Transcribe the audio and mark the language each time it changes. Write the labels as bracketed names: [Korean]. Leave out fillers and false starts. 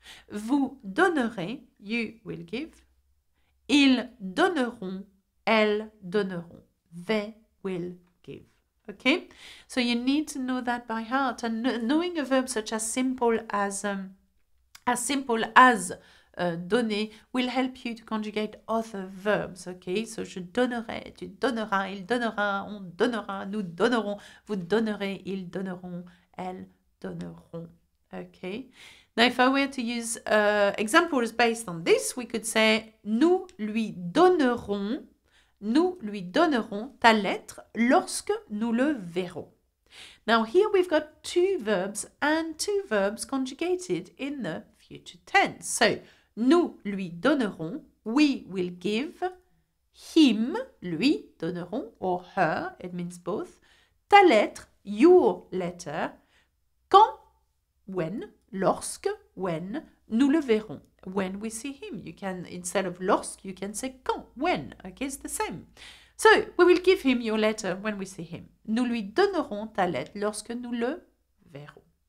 [French] Vous donnerez, [English] you will give. [French] Ils donneront, elles donneront. [English] They will give. Okay? So you need to know that by heart. And knowing a verb such as donner will help you to conjugate other verbs. Okay? [French] So je donnerai, tu donneras, il donnera, on donnera, nous donnerons, vous donnerez, ils donneront, elles donneront. [English] Okay? Now, if I were to use examples based on this, we could say, [French] nous lui donnerons ta lettre lorsque nous le verrons. [English] Now, here we've got two verbs and two verbs conjugated in the future tense. So, [French] nous lui donnerons, [English] we will give, him, lui donnerons, or her, it means both, [French] ta lettre, [English] your letter, quand, when, lorsque, when, [French] nous le verrons. [English] When we see him. You can, instead of lorsque, you can say quand, when. Okay, it's the same. So, we will give him your letter when we see him. [French] Nous lui donnerons ta lettre lorsque nous le verrons.